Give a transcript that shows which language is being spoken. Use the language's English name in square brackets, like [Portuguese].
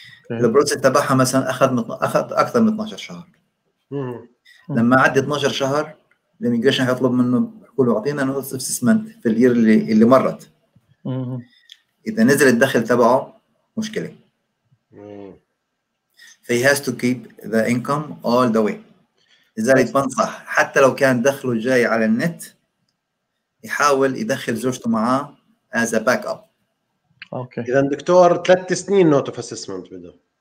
[Arabic] البروسيس تبعها مثلا اخذ اكثر من 12 شهر. لما عدى 12 شهر الاميجريشن حيطلب منه يقولوا اعطينا [English] notice of assessment [Arabic] في الير اللي مرت. اذا نزل الدخل تبعه مشكله. فهي [English] has to keep the income all the way. [Arabic] لذلك بنصح حتى لو كان دخله جاي على النت يحاول يدخل زوجته معاه [English] as a backup. [Arabic] اوكي. اذا دكتور 3 سنين [English] note of assessment [Arabic] بده.